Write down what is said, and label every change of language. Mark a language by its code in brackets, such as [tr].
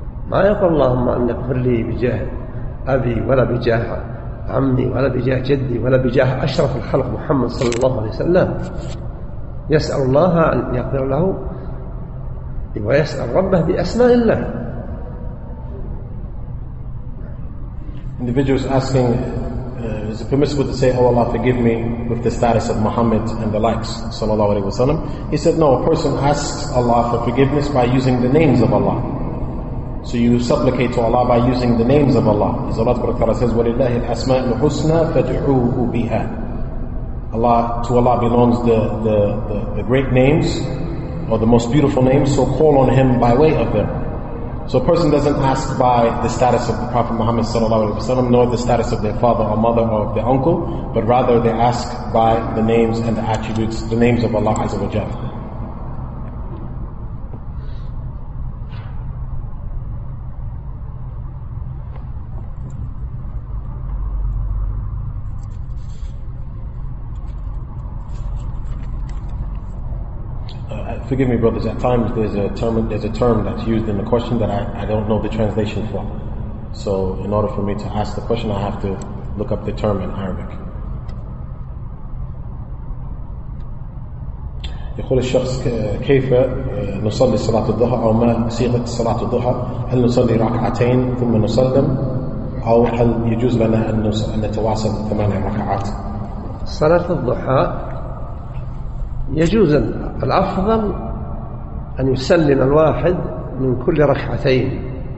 [ar] ما يقول اللهم أن اغفر لي بجاه أبي ولا بجاه عمي ولا بجاه جدي ولا بجاه أشرف الخلق محمد صلى الله عليه وسلم. يسأل الله أن يغفر له ويسأل ربه بأسماء الله. [en] Individuals asking, is it permissible to say, oh Allah forgive me, with the status of Muhammad and the likes [ar] صلى الله عليه وسلم. [en] He said, no, a person asks Allah for forgiveness by using the names of Allah. So you supplicate to Allah by using the names of Allah. As Allah Ta'ala says, [ar] وَلِلَّهِ الْأَسْمَاءُ الْحُسْنَى فَادْعُوهُ بِهَا. [en] Allah, to Allah belongs the great names, or the most beautiful names, so call on Him by way of them. So a person doesn't ask by the status of the Prophet Muhammad Sallallahu Alaihi Wasallam, nor the status of their father or mother or their uncle, but rather they ask by the names and the attributes, the names of Allah Azza wa Jalla. Forgive me, brothers, at times there's a term that's used in the question that I don't know the translation for. So in order for me to ask the question, I have to look up the term in Arabic. [ar] يقول الشخص كيف نصلي صلاة الظهر أو ما صيغة صلاة الظهر؟ هل نصلي ركعتين ثم نسلم أو هل يجوز لنا أن نتواصل ثمانية ركعات؟ صلاة الظهر يجوز الأفضل أن يسلم الواحد من كل ركعتين